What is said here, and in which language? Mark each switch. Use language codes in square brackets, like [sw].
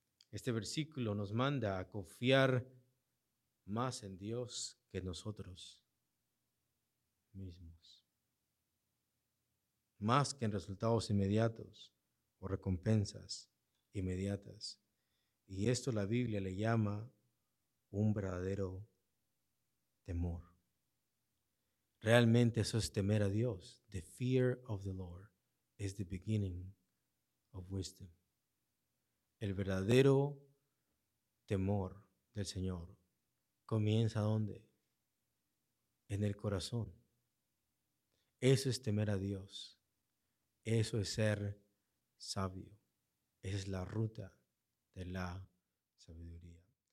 [es] Este versículo nos manda a confiar más en Dios que en nosotros mismos. Más que en resultados inmediatos o recompensas inmediatas. Y esto la Biblia le llama un verdadero temor. Realmente eso es temer a Dios. [en] The fear of the Lord is the beginning of wisdom. [es] El verdadero temor del Señor comienza ¿dónde? En el corazón. Eso es temer a Dios. Eso es ser sabio. Esa es la ruta de la sabiduría.